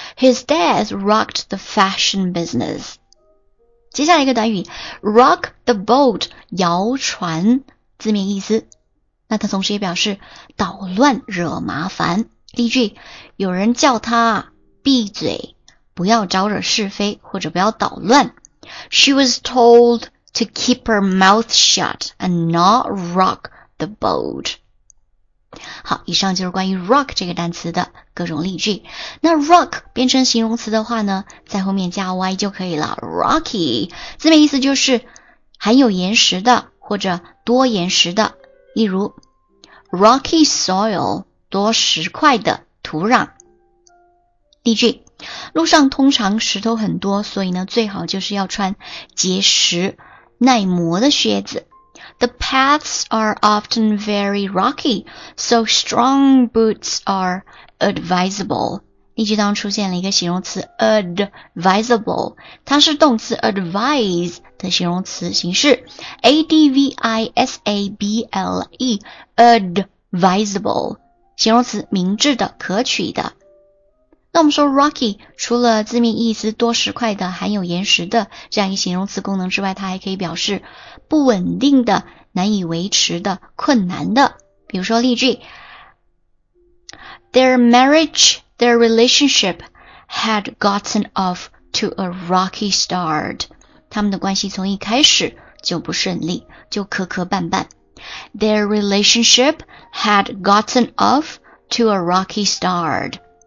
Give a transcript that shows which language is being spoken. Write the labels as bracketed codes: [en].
[en] His death rocked the fashion business. [zh] 接下来一个短语， [en] rock the boat, [zh] 摇船，字面意思。那他同时也表示捣乱惹麻烦。例句，有人叫他闭嘴，不要招惹是非，或者不要捣乱。 [en] She was told to keep her mouth shut and not rock the boat. [zh] 好，以上就是关于 rock 这个单词的各种例句。那 rock 变成形容词的话呢，在后面加 y 就可以了。 Rocky 字面意思就是含有岩石的或者多岩石的，例如 rocky soil 多石块的土壤。例句，路上通常石头很多，所以呢最好就是要穿结实耐磨的靴子。 [en] The paths are often very rocky, so strong boots are advisable. [zh] 例句当中出现了一个形容词 advisable, 它是动词 advise 的形容词形式 advisable, advisable, 形容词明智的、可取的。那我们说 rocky 除了字面意思多石块的、含有岩石的这样一个形容词功能之外，它还可以表示不稳定的、难以维持的、困难的。比如说例句， [en] Their relationship had gotten off to a rocky start. [zh] 他们的关系从一开始就不顺利，就磕磕绊绊。 [en] Their relationship had gotten off to a rocky start.